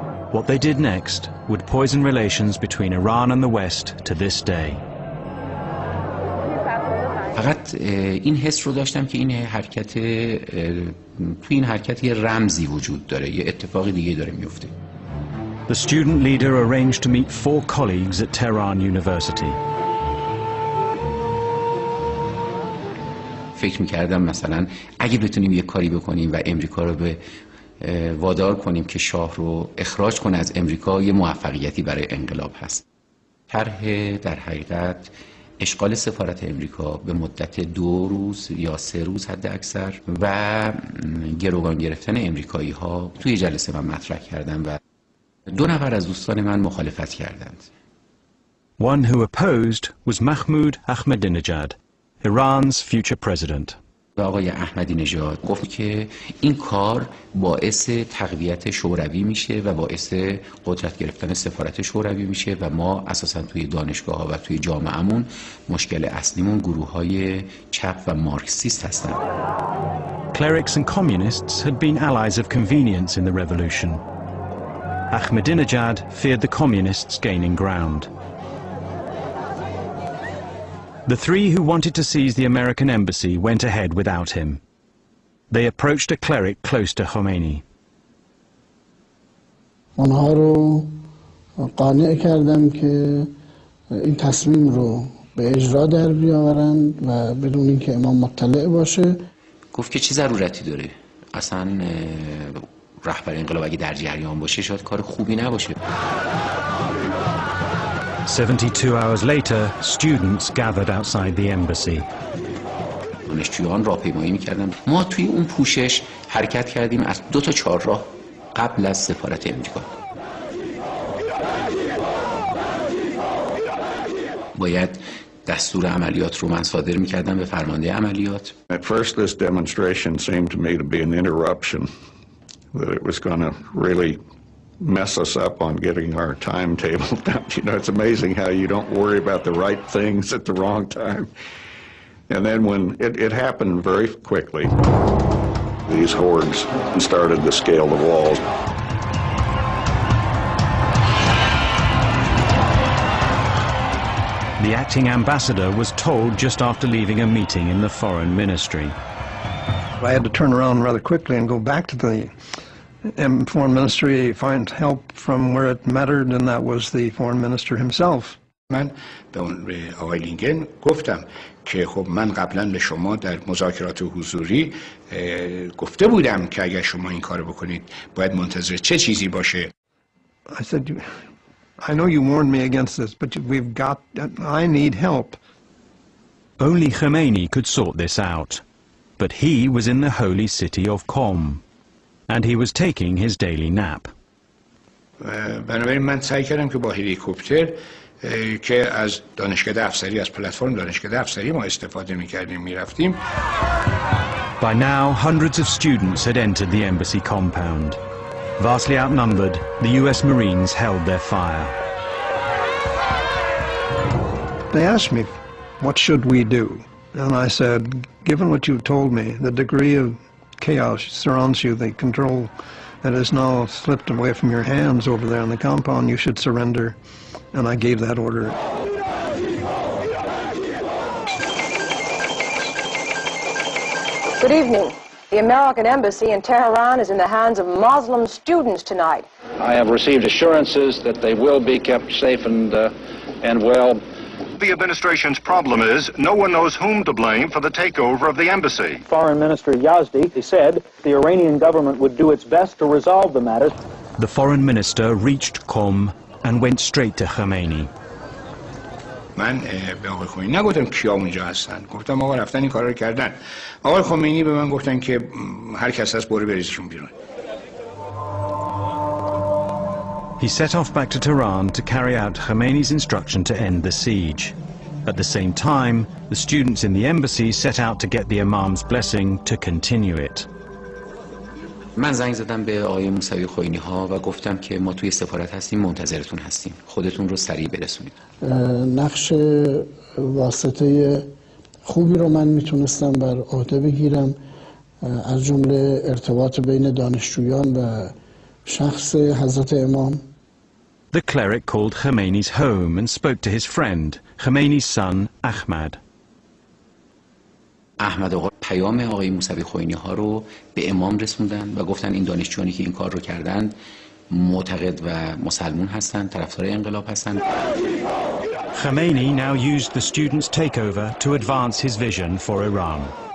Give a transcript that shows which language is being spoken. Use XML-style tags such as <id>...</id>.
<en>What they did next would poison relations between Iran and the West to this day.</en> <fa>فقط این حس رو داشتم که این حرکت تو این حرکت یه رمزی وجود داره، یه اتفاق دیگه داره میفته.</fa> <en>The student leader arranged to meet four colleagues at Tehran University.</en> <fa>فکر می‌کردم مثلا اگه بتونیم یه کاری بکنیم و امریکا رو به وادار کنیم که شاه رو اخراج کنه از امریکا، یه موفقیتی برای انقلاب هست. طرح در حقیقت اشغال سفارت امریکا به مدت 2 روز یا 3 روز حد اکثر و گروگان گرفتن امریکایی ها توی جلسه من مطرح کردم و 2 نفر از دوستان من مخالفت کردند.</fa> <en>One who opposed was Mahmoud Ahmadinejad, Iran's future president.</en> <fa>آقای احمدی نژاد گفت که این کار باعث تقویت شوروی میشه و باعث قدرت گرفتن سفارت شوروی میشه و ما اساسا توی دانشگاه ها و توی جامعهمون مشکل اصلیمون گروه های چپ و مارکسیست هستن.</fa> <en>Clerics and communists had been allies of convenience in the revolution. Ahmadinejad feared the communists gaining ground. The three who wanted to seize the American embassy went ahead without him. They approached a cleric close to Khomeini.</en> <fa>اونها رو قانع کردم که این تصمیم رو به اجرا در بیاورن و بدون اینکه امام مطلع باشه. گفت که چه ضرورتی داره؟ اصلا رهبر انقلاب اگه در جریان باشه شاید کار خوبی نباشه.</fa> <en>72 hours later, students gathered outside the embassy.</en> <fa>دانشجویان راهپیمایی می‌کردند. ما توی اون پوشش حرکت کردیم از 2 تا 4 راه قبل از سفارت امریکا. باید دستور عملیات رو من صادر می‌کردم به فرمانده عملیات.</fa> <en>At first this demonstration seemed to me to be an interruption, that it was going to really mess us up on getting our timetable down. You know, it's amazing how you don't worry about the right things at the wrong time. And then when it happened very quickly, these hordes started to scale the walls. The acting ambassador was told just after leaving a meeting in the foreign ministry. I had to turn around rather quickly and go back to the and foreign ministry find help from where it mattered, and that was the foreign minister himself.</en> <fa>من به اون آقای لینگن گفتم که خب من قبلا به شما در مذاکرات حضوری گفته بودم که اگر شما این کار بکنید باید منتظر چه چیزی باشه.</fa> <en>I said, I know you warned me against this, but we've got, I need help. Only Khomeini could sort this out, but he was in the holy city of Qom. And he was taking his daily nap.</en> <fa>بنابراین من سعی کردم که با هلیکوپتر که از دانشکده افسری، از پلتفرم دانشکده افسری ما استفاده میکردیم میرفتیم.</fa> <en>By now, hundreds of students had entered the embassy compound. Vastly outnumbered, the US Marines held their fire. They asked me, what should we do? And I said, given what you've told me, the degree of chaos surrounds you, the control that has now slipped away from your hands over there on the compound, you should surrender. And I gave that order. Good evening. The American embassy in Tehran is in the hands of Muslim students tonight. I have received assurances that they will be kept safe and well. The administration's problem is no one knows whom to blame for the takeover of the embassy. Foreign Minister Yazdi said the Iranian government would do its best to resolve the matter. The foreign minister reached Qom and went straight to Khomeini.</en> <fa>من به آقای خمینی نگفتم کیا اونجا هستن. گفتم آقا رفتن این کار رو کردن. آقای خمینی به من گفتن که هر کس هست برو بریزشون بیرون.</fa> <en>He set off back to Tehran to carry out Khomeini's instruction to end the siege. At the same time, the students in the embassy set out to get the imam's blessing to continue it.</en> <fa>من زنگ زدم به آقای موسوی خوینی ها و گفتم که ما توی سفارت هستیم، منتظرتون هستیم. خودتون رو سریع برسونید. نقش واسطه خوبی رو من میتونستم بر عهده بگیرم از جمله ارتباط بین دانشجویان و شخص حضرت امام.</fa> <en>The cleric called Khomeini's home and spoke to his friend, Khomeini's son, Ahmad.</en> <fa>احمد آقا پیام آقای موسوی خوینی ها رو به امام رسوندن و گفتن این دانشجویانی که این کار رو کردن معتقد و مسلمان هستند، طرفدار انقلاب هستند.</fa> <en>Khomeini now used the students' takeover to advance his vision for Iran.</en>